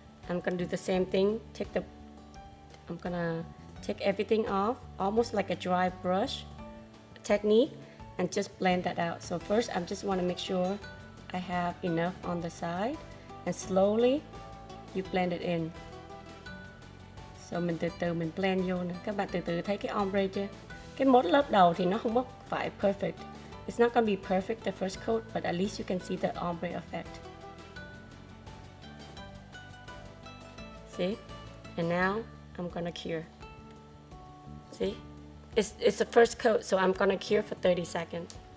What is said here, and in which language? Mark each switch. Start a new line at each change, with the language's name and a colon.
English: I'm gonna do the same thing. I'm gonna take everything off, almost like a dry brush technique, and just blend that out. So first, I just wanna make sure I have enough on the side, and slowly you blend it in.
Vietnamese: So mình từ từ mình blend vô nè. Các bạn từ từ thấy cái ombre chưa? Cái một lớp đầu thì nó không phải perfect.
English: It's not gonna be perfect the first coat, but at least you can see the ombre effect. See? And now I'm gonna cure. See? It's the first coat, so I'm gonna cure for 30 seconds.